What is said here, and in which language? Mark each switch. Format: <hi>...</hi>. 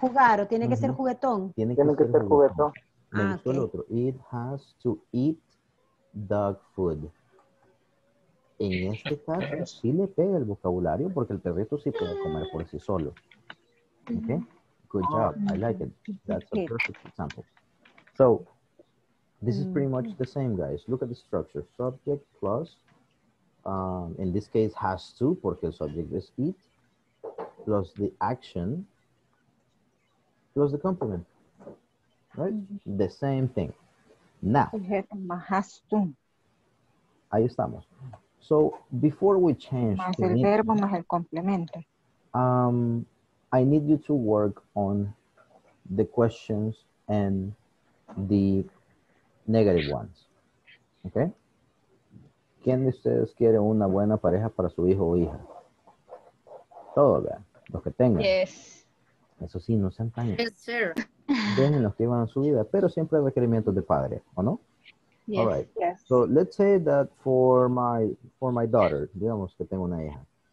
<es>Que jugar o tiene que ser juguetón. Tiene que ser juguetón. Otro.</es> <en>It has to eat dog food.</en> <es>En este caso, sí le pega el vocabulario porque el perrito sí puede comer por sí solo.</es> <en>Okay? Good job. I like it. That's a perfect example. So, this is pretty much the same, guys. Look at the structure. Subject plus, in this case, has to,</en> <es>porque el</es> <en>subject is eat, plus the action, plus the complement. Right? The same thing. Now, has to.</en> <es>Ahí estamos.</es> <en>So, before we change...</en> <es>Más el verbo, más el complemento.</es> <en>I need you to work on the questions and the negative ones. Okay?</en> <es>¿Quién de ustedes quiere una buena pareja para su hijo o hija? Todos, ¿verdad? Los que tengan.</es> <en>Yes.</en> <es>Eso sí, no sean tan...</es> <en>Yes, sir.</en> <es>Dejen los que iban a su vida, pero siempre hay requerimientos de padre, ¿o no?</es> <en>Yes. All right. Yes. So let's say that for my daughter,</en> <es>digamos que tengo una hija.</es>